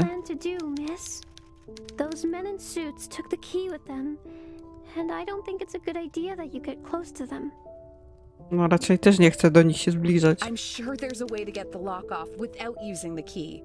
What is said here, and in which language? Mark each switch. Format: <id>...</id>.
<en>What do you plan to do, miss? Those men in suits took the key with them. And I don't think it's a good idea that you get close to them.</en> <pl>No raczej też nie chcę do nich się zbliżać.</pl> <en>I'm sure there's a way to get the lock off without using the key.</en>